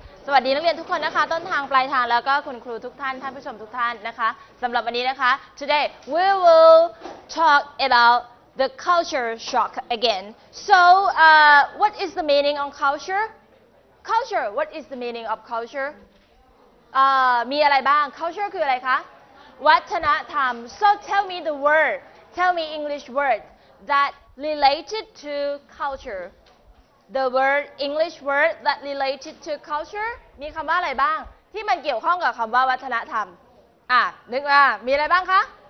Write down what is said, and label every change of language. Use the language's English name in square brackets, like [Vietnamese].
[Thai] สวัสดีนักเรียนทุกคนนะคะต้นทางปลายทางแล้วก็คุณครูทุกท่านท่านผู้ชมทุกท่านนะคะสำหรับวันนี้นะคะ [English] Today we will talk about the culture shock again. So, what is the meaning on culture? Culture. What is the meaning of culture? [Thai] มีอะไรบ้าง culture คืออะไรคะวัฒนธรรม [English] so tell me the word tell me English word that related to culture [Thai] the word English word that related to culture มีคำว่าอะไรบ้างที่มันเกี่ยวข้องกับคำว่าวัฒนธรรมนึกว่ามีอะไรบ้างคะ